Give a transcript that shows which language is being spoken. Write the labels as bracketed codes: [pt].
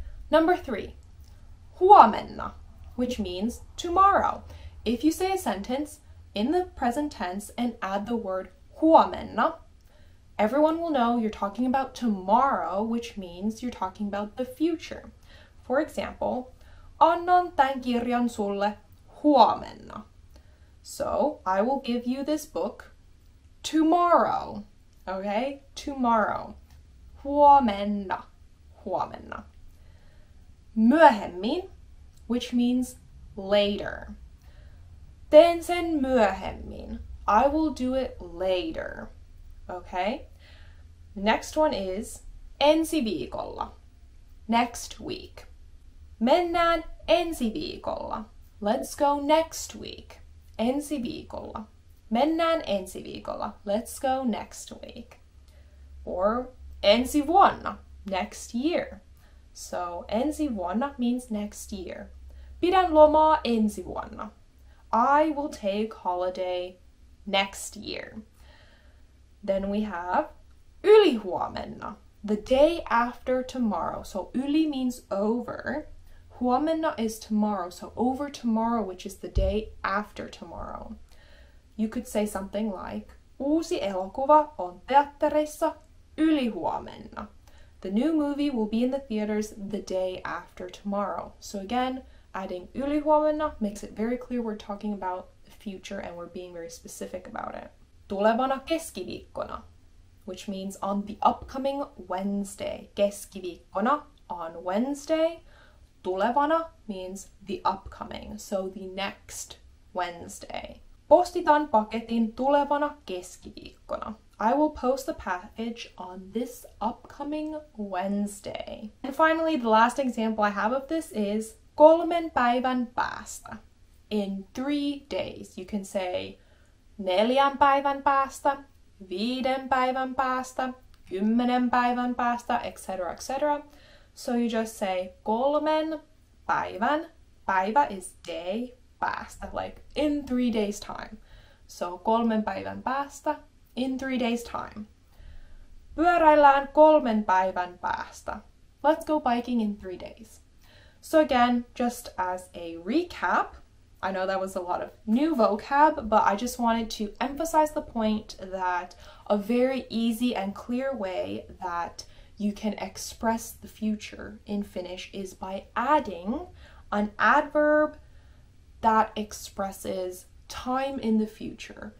[en] Number three, huomenna, which means tomorrow. If you say a sentence in the present tense and add the word huomenna, everyone will know you're talking about tomorrow, which means you're talking about the future. For example, [fi] annan tän kirjan sulle huomenna. [en] So, I will give you this book tomorrow, okay? [fi] Tomorrow. Huomenna. Huomenna. [en] Myöhemmin, which means later. [fi] Teen sen myöhemmin. [en] I will do it later, okay? Next one is [fi] ensi viikolla. [en] Next week. [fi] Mennään ensi viikolla. [en] Let's go next week. [fi] Ensi viikolla. Mennään ensi viikolla. [en] Let's go next week. Or [fi] ensi vuonna, [en] next year. So ensi vuonna means next year. [fi] Pidän lomaa ensi vuonna. [en] I will take holiday next year. Then we have ylihuomenna, the day after tomorrow. So yli means over. Huomenna is tomorrow, so over tomorrow, which is the day after tomorrow. You could say something like, [fi] uusi elokuva on teatterissa ylihuomenna. [en] The new movie will be in the theaters the day after tomorrow. So again, adding ylihuomenna makes it very clear we're talking about the future and we're being very specific about it. [fi] Tulevana keskiviikkona, [en] which means on the upcoming Wednesday. Keskiviikkona, on Wednesday. Tulevana means the upcoming, so the next Wednesday. [fi] Postitan paketin tulevana keskiviikkona. [en] I will post the package on this upcoming Wednesday. And finally, the last example I have of this is [fi] kolmen päivän päästä. [en] In 3 days. You can say [fi] neljän päivän päästä, viiden päivän päästä, kymmenen päivän päästä, [en] etc., etc. So you just say [fi] kolmen päivän. [en] Päivä is day, päästä, like in 3 days' time. So [fi] kolmen päivän päästä, [en] in 3 days' time. [fi] Pyöräillään kolmen päivän päästä. [en] Let's go biking in 3 days. So again, just as a recap, I know that was a lot of new vocab, but I just wanted to emphasize the point that a very easy and clear way that you can express the future in Finnish is by adding an adverb that expresses time in the future.